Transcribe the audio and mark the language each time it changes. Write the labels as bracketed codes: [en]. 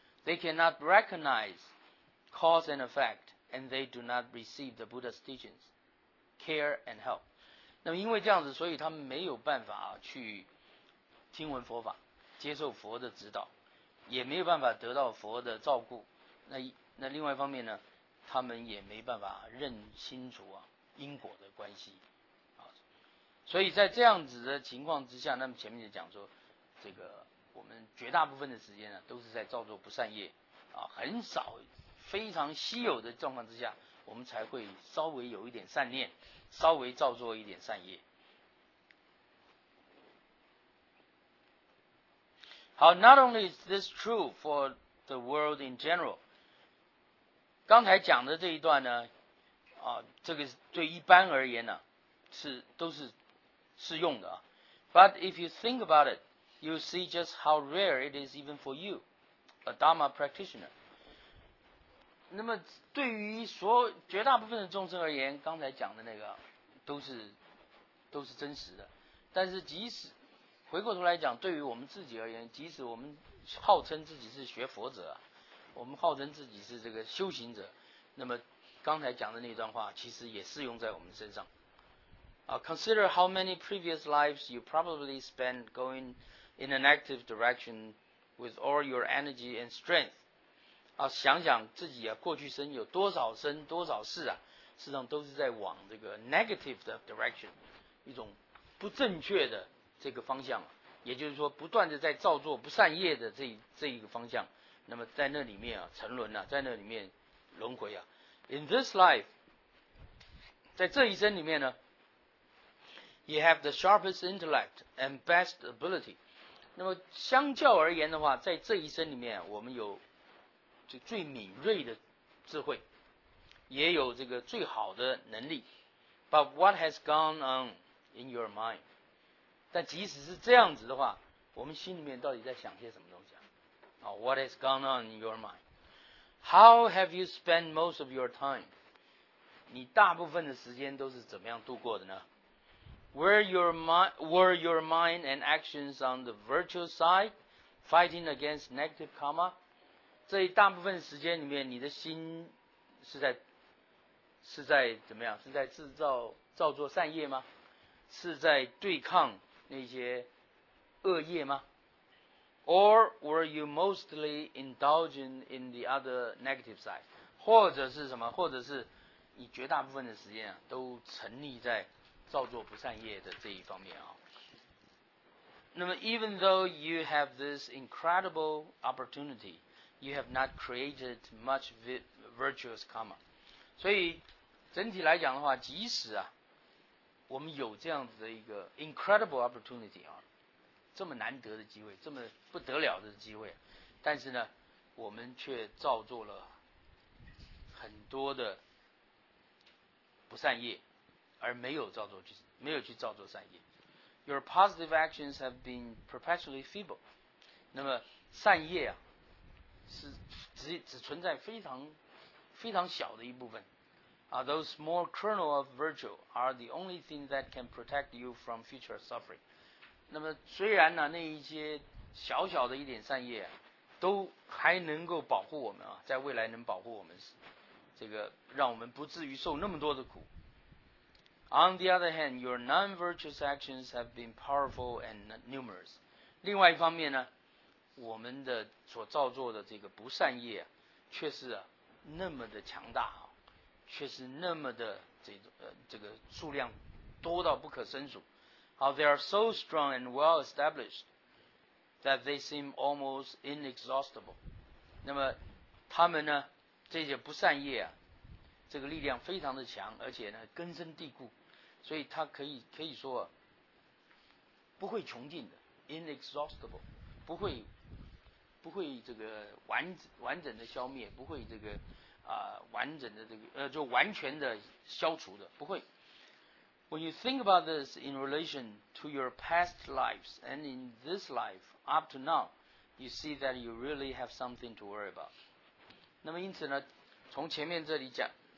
[en] They cannot recognize cause and effect, and they do not receive the Buddha's teachings, care and help。 [zh] 那么因为这样子，所以他们没有办法去听闻佛法，接受佛的指导，也没有办法得到佛的照顾。那另外一方面呢？他们也没办法认清楚啊因果的关系啊，所以在这样子的情况之下，那么前面就讲说，这个我们绝大部分的时间呢、啊、都是在造作不善业啊，很少非常稀有的状况之下，我们才会稍微有一点善念，稍微造作一点善业。好， [en] not only is this true for the world in general， [zh] 刚才讲的这一段呢，啊，这个对一般而言呢、啊，都是适用的啊。 [en] But if you think about it, you see just how rare it is even for you, a Dharma practitioner。 [zh] 那么对于绝大部分的众生而言，刚才讲的那个都是真实的。但是即使回过头来讲，对于我们自己而言，即使我们号称自己是学佛者、啊，我们号称自己是这个修行者，那么刚才讲的那段话其实也适用在我们身上。 [en] Consider how many previous lives you probably spent going in an active direction with all your energy and strength。 [zh] 想想自己啊，过去生有多少生多少世啊，事实上都是在往这个 negative 的 direction， 一种不正确的这个方向，也就是说不断的在造作不善业的这一个方向。那么在那里面啊，沉沦啊，在那里面轮回啊。 [en] In this life， [zh] 在这一生里面呢 [en] ，you have the sharpest intellect and best ability。 [zh] 那么相较而言的话，在这一生里面，我们有这最敏锐的智慧，也有这个最好的能力。 [en] But what has gone on in your mind？ [zh] 但即使是这样子的话，我们心里面到底在想些什么东西？ [en] What has gone on in your mind? How have you spent most of your time? [zh] 你大部分的时间都是怎么样度过的呢？ [en] Were your mind and actions on the virtual side, fighting against negative karma? [zh] 这一大部分时间里面，你的心是在怎么样？是在造作善业吗？是在对抗那些恶业吗？ [en] Or were you mostly indulging in the other negative side? [zh] 或者是什么？或者是你绝大部分的时间啊，都沉溺在造作不善业的这一方面啊。 [en] 那么 ，even though you have this incredible opportunity, you have not created much virtuous karma. [zh] 所以整体来讲的话，即使啊，我们有这样子的一个 [en] incredible opportunity [zh] 啊，这么难得的机会，这么不得了的机会，但是呢，我们却造作了很多的不善业，而没有造作，没有去造作善业。 [en] Your positive actions have been perpetually feeble. [zh] 那么善业啊，是 只存在非常非常小的一部分。 [en] Those small kernel of virtue are the only thing that can protect you from future suffering. [zh] 那么虽然呢、啊，那一些小小的一点善业、啊，都还能够保护我们啊，在未来能保护我们，这个让我们不至于受那么多的苦。 [en] On the other hand, your non-virtuous actions have been powerful and numerous. [zh] 另外一方面呢，我们的所造作的这个不善业、啊，却是、啊、那么的强大啊，却是那么的这个数量多到不可胜数。 [en] How they are so strong and well established that they seem almost inexhaustible. [zh] 那么他们呢，这些不善业啊，这个力量非常的强，而且呢根深蒂固，所以它可以说不会穷尽的 ，inexhaustible， 不会这个完整的消灭，不会这个完整的这个就完全的消除的，不会。 [en] When you think about this in relation to your past lives and in this life up to now, you see that you really have something to worry about. [zh] 那么因此呢，从前面这里讲。